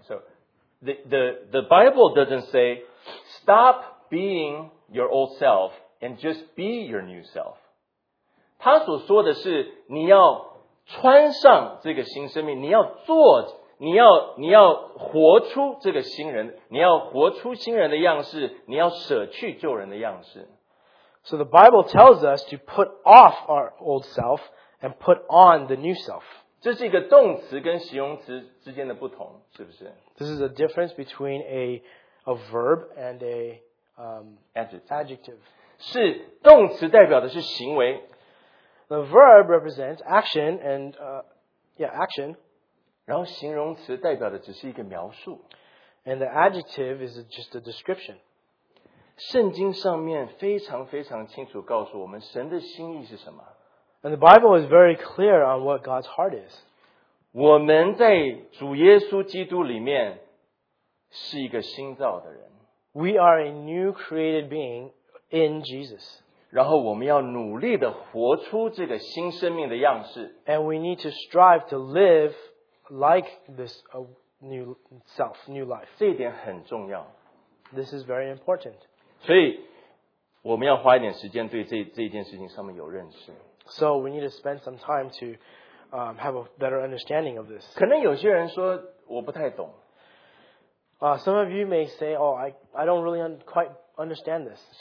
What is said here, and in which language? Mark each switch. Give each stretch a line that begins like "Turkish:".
English: So the Bible doesn't say stop being your old self and just be your new self.
Chinese: 他所说的是你要穿上这个新生命，你要做。你要活出这个新人，你要活出新人的样式，你要舍去旧人的样式。
English: So the Bible tells us to put off our old self and put on the new self.
Chinese: 这是一个动词跟形容词之间的不同，是不是？
English: This is a difference between a verb and a
Chinese: adjective. 是动词代表的是行为。
English: The verb represents action and action.
Chinese: 然后形容词代表的只是一个描述。
English: And the adjective is just a description.
Chinese: 圣经上面非常非常清楚告诉我们神的心意是什么。
English: And the Bible is very clear on what God's heart is.
Chinese: 我们在主耶稣基督里面是一个新造的人。
English: We are a new created being in Jesus.
Chinese: 然后我们要努力的活出这个新生命的样式。
English: And we need to strive to live like this new self, new life.
Chinese: 这一点很重要。
English: This is very important.
Chinese: 所以我们要花一点时间对这件事情上面有认识。
English: So we need to spend some time to have a better understanding of this.
Chinese: 可能有些人说我不太懂。
English: Some of you may say, oh, I don't really quite understand this.